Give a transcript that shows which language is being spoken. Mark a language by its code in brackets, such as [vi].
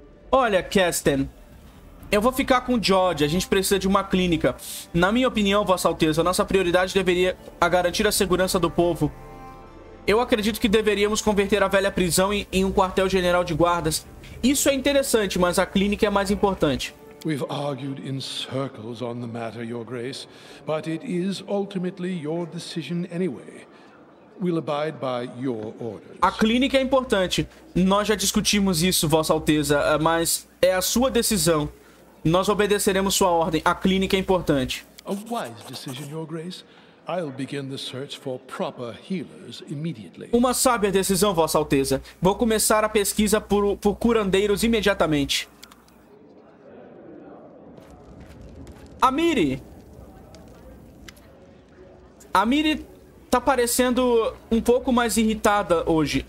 [pt] Olha, Kestin, eu vou ficar com o George, a gente precisa de uma clínica. Na minha opinião, Vossa Alteza, nossa prioridade deveria a garantir a segurança do povo. Eu acredito que deveríamos converter a velha prisão em um quartel-general de guardas. Isso é interessante, mas a clínica é mais importante. [en] We've argued in circles on the matter, Your Grace, but it is ultimately your decision anyway. We'll abide by your orders. [pt] A clínica é importante. Nós já discutimos isso, Vossa Alteza, mas é a sua decisão. Nós obedeceremos sua ordem. A clínica é importante. [en] A wise decision, Your Grace. I'll begin the search for proper healers immediately. [pt] Uma sábia decisão, Vossa Alteza. Vou começar a pesquisa por curandeiros imediatamente. A Miri tá parecendo um pouco mais irritada hoje.